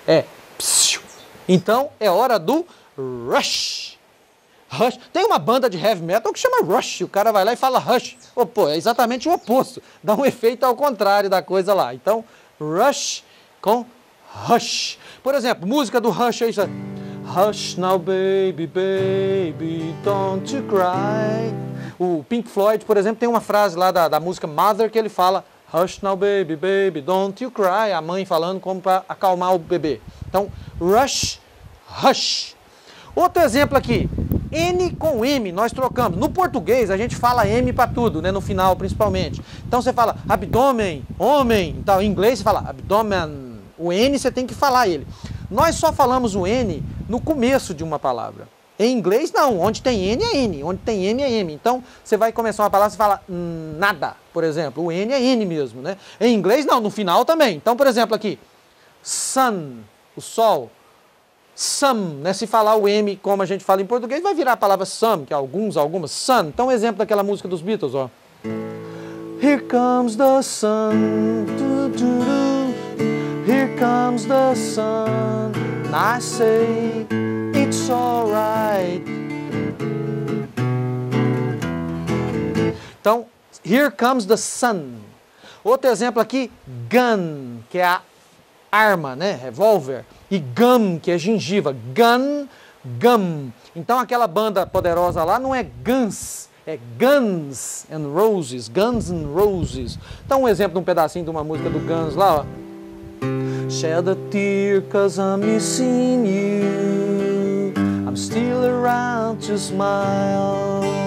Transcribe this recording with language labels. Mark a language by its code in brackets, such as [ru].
[pt] É. Psiu. Então, é hora do rush. Rush. Tem uma banda de heavy metal que chama rush. O cara vai lá e fala rush. Oh, pô, é exatamente o oposto. Dá um efeito ao contrário da coisa lá. Então, rush com rush. Por exemplo, música do rush é isso aí. [en] Hush now, baby, baby, don't you cry. [pt] O Pink Floyd, por exemplo, tem uma frase lá da música Mother que ele fala [en] hush now, baby, baby, don't you cry. [pt] A mãe falando como para acalmar o bebê. Então, rush, hush. Outro exemplo aqui. N com M, nós trocamos. No português, a gente fala M para tudo, né? No final, principalmente. Então, você fala abdômen, homem. Então, em inglês, você fala abdômen. O N, você tem que falar ele. Nós só falamos o N no começo de uma palavra. Em inglês, não. Onde tem N é N. Onde tem M é M. Então, você vai começar uma palavra e fala nada, por exemplo. O N é N mesmo, né? Em inglês, não. No final também. Então, por exemplo, aqui. Sun, o sol. Some, né? Se falar o M como a gente fala em português, vai virar a palavra some, que é alguns, algumas. Sun. Então, um exemplo daquela música dos Beatles, ó. [en] Here comes the sun. Do, do, do. Here comes the sun, and I say it's alright. [pt] Então, [en] here comes the sun. [pt] Outro exemplo aqui, gun, que é a arma, né? Revolver. E gum, que é gengiva. Gun, gum. Então aquela banda poderosa lá não é guns, é Guns and Roses, Guns and Roses. Dá um exemplo de um pedacinho de uma música do Guns lá, ó. [en] Shed a tear 'cause I'm missing you, I'm still around to smile.